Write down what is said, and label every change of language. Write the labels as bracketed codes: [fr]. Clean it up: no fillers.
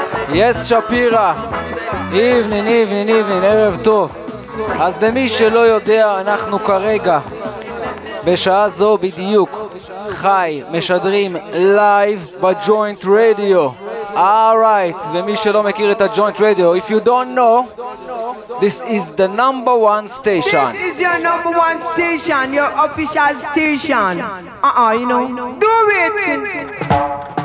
[en] Yes, Shapira, evening, evening, evening, [he] ערב טוב. אז למי שלא יודע, אנחנו כרגע, בשעה זו בדיוק, חי, משדרים live בג'וינט רדיו. [en] All right, [he] ומי שלא מכיר את הג'וינט רדיו, [en] if you don't know, this is the number one station. This is your number one station, your official station. You know, do it!